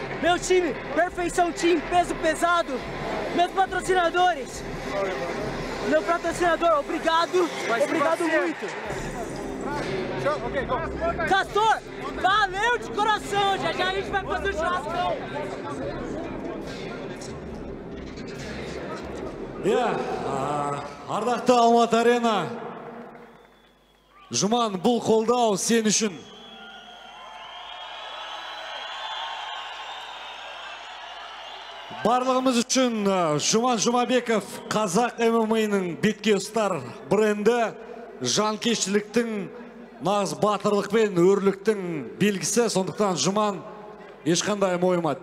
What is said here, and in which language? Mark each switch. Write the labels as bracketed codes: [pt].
[pt] Meu time, Perfeição Team, peso pesado. Meus patrocinadores. Meu patrocinador, obrigado. Obrigado muito. Castor, valeu de coração. Já já a gente vai fazer o churrasco. [kk] Yeah, ардақты Алматы Арена. Жұман, бұл қолдау сен үшін. Барлығымыз үшін Жұман Жұмабеков қазақ ММА-ның бетке ұстар бренді, жанкештіліктің, нағыз батырлық пен өрліктің белгісі, сондықтан Жұман ешқандай мойыма.